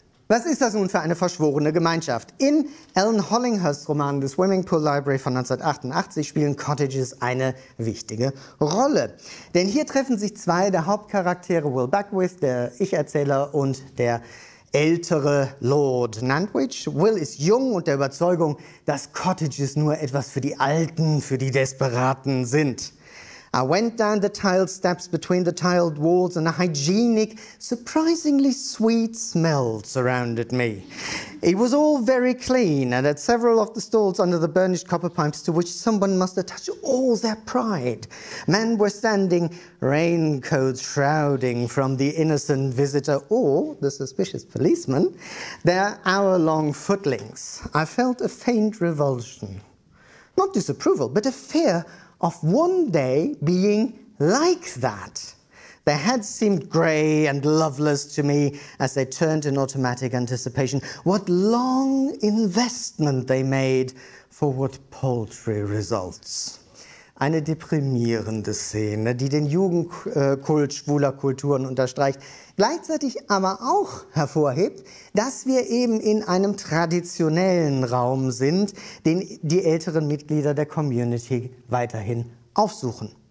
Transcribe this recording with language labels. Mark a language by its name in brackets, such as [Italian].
[German] Was ist das nun für eine verschworene Gemeinschaft? In Ellen Hollinghursts Roman The Swimming Pool Library von 1988 spielen Cottages eine wichtige Rolle. Denn hier treffen sich zwei der Hauptcharaktere, Will Beckwith, der Ich-Erzähler, und der ältere Lord Nantwich. Will ist jung und der Überzeugung, dass Cottages nur etwas für die Alten, für die Desperaten sind. [English] "I went down the tiled steps between the tiled walls and a hygienic, surprisingly sweet smell surrounded me. It was all very clean and at several of the stalls under the burnished copper pipes to which someone must attach all their pride. Men were standing, raincoats shrouding from the innocent visitor or the suspicious policeman, their hour-long footlings. I felt a faint revulsion, not disapproval, but a fear of one day being like that. Their heads seemed grey and loveless to me as they turned in automatic anticipation. What long investment they made for what paltry results." [German] Eine deprimierende Szene, die den Jugendkult schwuler Kulturen unterstreicht, gleichzeitig aber auch hervorhebt, dass wir eben in einem traditionellen Raum sind, den die älteren Mitglieder der Community weiterhin aufsuchen.